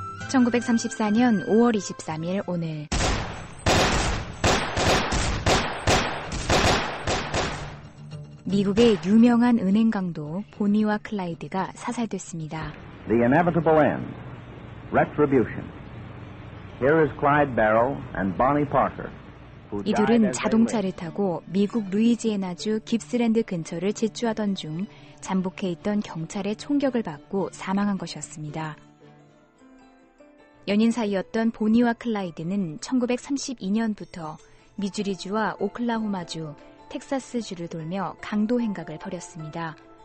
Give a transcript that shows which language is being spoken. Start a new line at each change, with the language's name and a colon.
Korean: 1934년 5월 23일 오늘 미국의 유명한 은행 강도 보니와 클라이드가 사살됐습니다.
English: The inevitable end. Retribution. Here is Clyde Barrow and Bonnie Parker.
Korean: 이들은 자동차를 타고 미국 루이지애나주 깁스랜드 근처를 질주하던 중 잠복해 있던 경찰의 총격을 받고 사망한 것이었습니다. 연인 사이였던 보니와 클라이드는 1932년부터 미주리주와 오클라호마주, 텍사스주를 돌며 강도 행각을 벌였습니다.